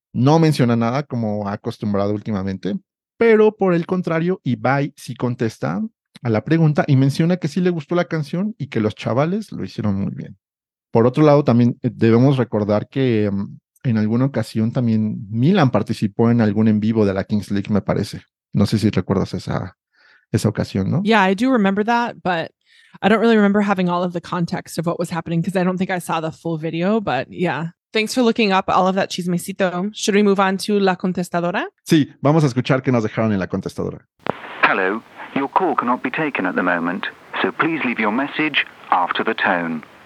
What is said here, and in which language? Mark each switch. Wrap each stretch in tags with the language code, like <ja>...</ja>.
<es>No menciona nada como ha acostumbrado últimamente, pero por el contrario, Ibai sí contesta a la pregunta y menciona que sí le gustó la canción y que los chavales lo hicieron muy bien. Por otro lado, también debemos recordar que en alguna ocasión también Milan participó en algún en vivo de la Kings League, me parece. No sé si recuerdas esa ocasión, ¿no?</es> <en>Yeah, I do remember that, but I don't really remember having all of the context of what was happening because I don't think I saw the full video, but yeah. Thanks for looking up all of that chismecito. Should we move on to La Contestadora?</en> <es>Sí, vamos a escuchar qué nos dejaron en La Contestadora.</es> <en>Hello, your call cannot be taken at the moment, so please leave your message after the tone.</en>